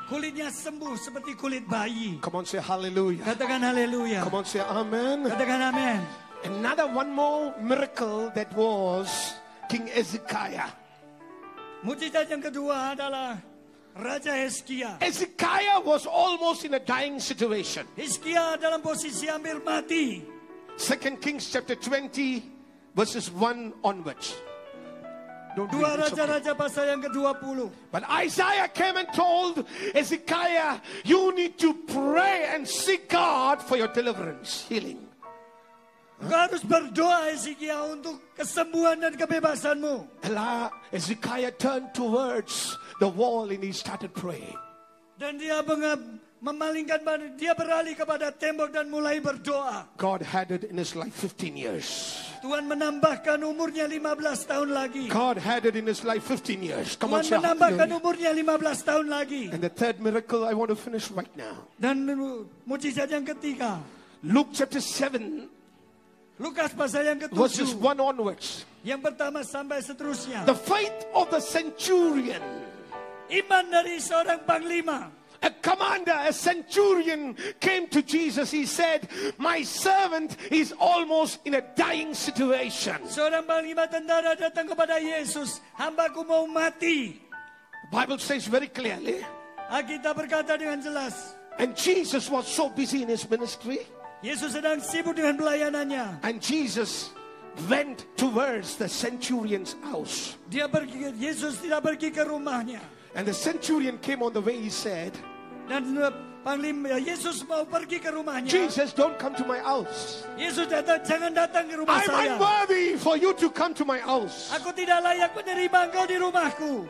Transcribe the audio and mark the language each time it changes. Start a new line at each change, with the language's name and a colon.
Indonesian: Kulitnya sembuh seperti kulit bayi.
English: Come on, say hallelujah.
Indonesian: Katakan hallelujah.
English: Come on, say amen.
Indonesian: Katakan amen.
English: Another one more miracle that was King Ezekiah.
Indonesian: Mujizat yang kedua adalah Raja Hezekiah.
English: Hezekiah was almost in a dying situation.
Indonesian: Hezekiah dalam posisi hampir mati.
English: 2 Kings chapter 20 verses 1 onwards.
Indonesian: Don't Dua Raja-Raja okay. Pasal yang ke-20.
English: But Isaiah came and told Hezekiah, you need to pray and seek God for your deliverance, healing.
Indonesian: Kau harus berdoa Hezekiah untuk kesembuhan dan kebebasanmu.
English: Hezekiah turned towards the wall and he started praying.
Indonesian: Dan dia memalingkan badan, dia beralih kepada tembok dan mulai berdoa.
English: God added in his life 15 years.
Indonesian: Tuhan menambahkan umurnya 15 tahun lagi.
English: God added in his life 15 years. Come
Indonesian: Tuhan menambahkan umurnya 15 tahun lagi.
English: And the third miracle I want to finish right now.
Indonesian: Dan mujizat yang ketiga.
English: Luke chapter 7.
Indonesian: Lukas pasal yang ke-7.
English: Verses 1 onwards.
Indonesian: Yang pertama sampai seterusnya.
English: The faith of the centurion.
Indonesian: Iman dari seorang panglima.
English: A commander, a centurion came to Jesus. He said, my servant is almost in a dying situation.
Indonesian: Seorang panglima tentara datang kepada Yesus. Hambaku mau mati.
English: Bible says very clearly.
Indonesian: Alkitab berkata dengan jelas.
English: And Jesus was so busy in his ministry.
Indonesian: Yesus sedang sibuk dengan pelayanannya.
English: And Jesus went towards the centurion's house.
Indonesian: Dia pergi, Yesus tidak pergi ke rumahnya.
English: And the centurion came on the way, he said.
Indonesian: Dan panglima Yesus mau pergi ke rumahnya.
English: Jesus, don't come to my house.
Indonesian: Yesus datang, jangan datang ke rumah
English: I'm
Indonesian: saya.
English: I'm unworthy for you to come to my house.
Indonesian: Aku tidak layak menerima engkau di rumahku.